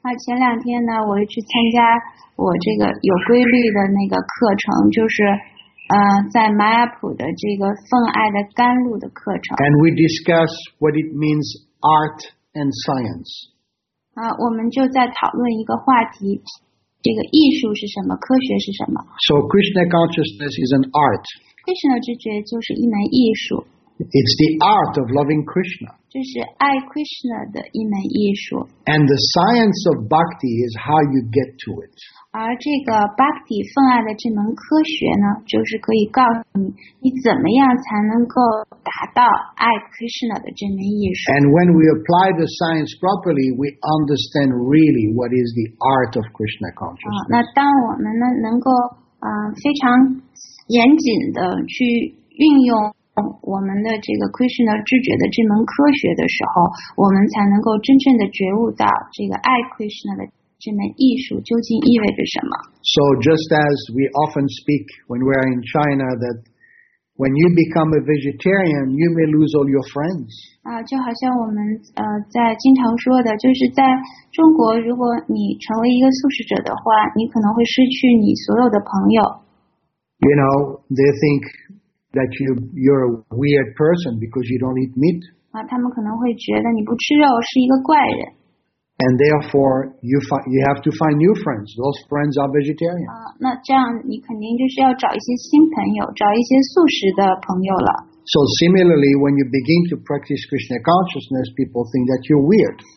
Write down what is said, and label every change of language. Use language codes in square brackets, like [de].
[zh] 前两天呢，我去参加我这个有规律的那个课程，就是在 Mayapur 的这个奉爱的甘露的课程。 [en] And we discuss what it means art and science. [zh] 我们就在讨论一个话题，这个艺术是什么，科学是什么。 [en] So Krishna consciousness is an art. [zh] Krishna 知觉就是一门艺术。 [en] It's the art of loving Krishna. [zh] 这是爱 Krishna 的一门艺术。 [en] And the science of bhakti is how you get to it. [zh] 而这个 bhakti 奉爱的这门科学呢，就是可以告诉你，你怎么样才能够达到爱 Krishna 的这门艺术。 [en] And when we apply the science properly, we understand really what is the art of Krishna consciousness. [zh] 那当我们呢能够非常严谨的去运用。我们的这个 Krishna 知觉的这门科学的时候，我们才能够真正的觉悟到这个爱 Krishna 的这门艺术究竟意味着什么。 [en] So just as we often speak when we are in China that when you become a vegetarian, you may lose all your friends. [zh] 就好像我们在经常说的，就是在中国，如果你成为一个素食者的话，你可能会失去你所有的朋友。 [en] You know, they think. That you're a weird person because you don't eat meat. [zh] 他们可能会觉得你不吃肉是一个怪人。 [en] And therefore, you have to find new friends. Those friends are vegetarian. [zh] 那这样你肯定就是要找一些新朋友，找一些素食的朋友了。 [en] So similarly, when you begin to practice Krishna consciousness, people think that you're weird.